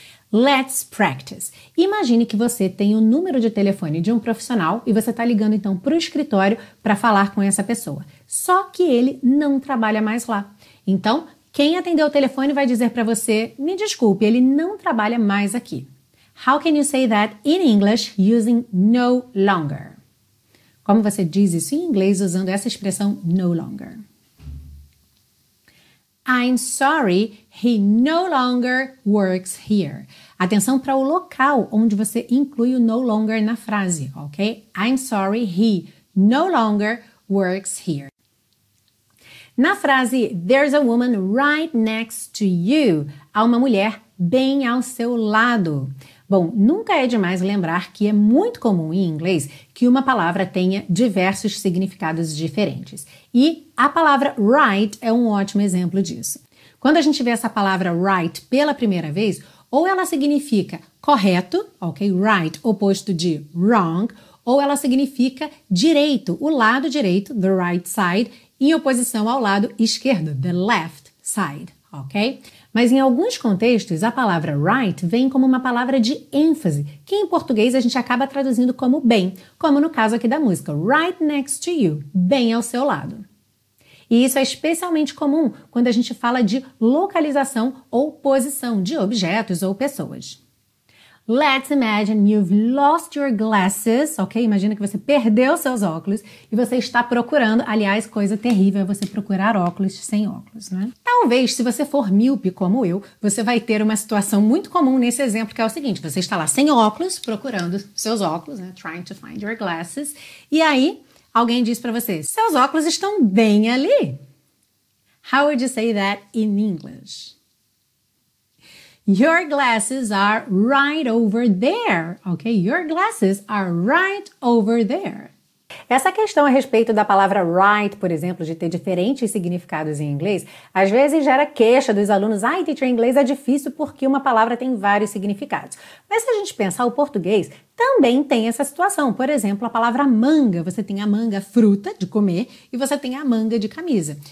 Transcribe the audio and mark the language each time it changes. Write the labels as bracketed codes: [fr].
[en] Let's practice. [pt] Imagine que você tem o número de telefone de um profissional e você está ligando, então, para o escritório para falar com essa pessoa. Só que ele não trabalha mais lá. Então, quem atendeu o telefone vai dizer para você, me desculpe, ele não trabalha mais aqui. [en] How can you say that in English using no longer? [pt] Como você diz isso em inglês usando essa expressão no longer? [en] I'm sorry, he no longer works here. [pt] Atenção para o local onde você inclui o no longer na frase, ok? [en] I'm sorry, he no longer works here. [pt] Na frase, [en] there's a woman right next to you, [pt] há uma mulher bem ao seu lado. Bom, nunca é demais lembrar que é muito comum em inglês que uma palavra tenha diversos significados diferentes. E a palavra right é um ótimo exemplo disso. Quando a gente vê essa palavra right pela primeira vez, Ou ela significa correto, ok? Right, oposto de wrong. Ou ela significa direito, o lado direito, [en] the right side, [pt] em oposição ao lado esquerdo, [en] the left side, [pt] ok? Mas em alguns contextos, a palavra right vem como uma palavra de ênfase, que em português a gente acaba traduzindo como bem, como no caso aqui da música, [en] right next to you, [pt] bem ao seu lado. E isso é especialmente comum quando a gente fala de localização ou posição de objetos ou pessoas. [en] Let's imagine you've lost your glasses, ok? [pt] Imagina que você perdeu seus óculos e você está procurando, aliás, coisa terrível é você procurar óculos sem óculos, né? Talvez, se você for míope como eu, você vai ter uma situação muito comum nesse exemplo, que é o seguinte, você está lá sem óculos, procurando seus óculos, né? [en] Trying to find your glasses, [pt] e aí alguém diz para você, seus óculos estão bem ali. [en] How would you say that in English? Your glasses are right over there, ok? Your glasses are right over there. [pt] Essa questão a respeito da palavra right, por exemplo, de ter diferentes significados em inglês, às vezes gera queixa dos alunos, ai, teacher, inglês é difícil porque uma palavra tem vários significados. Mas se a gente pensar, o português também tem essa situação. Por exemplo, a palavra manga, você tem a manga fruta de comer e você tem a manga de camisa.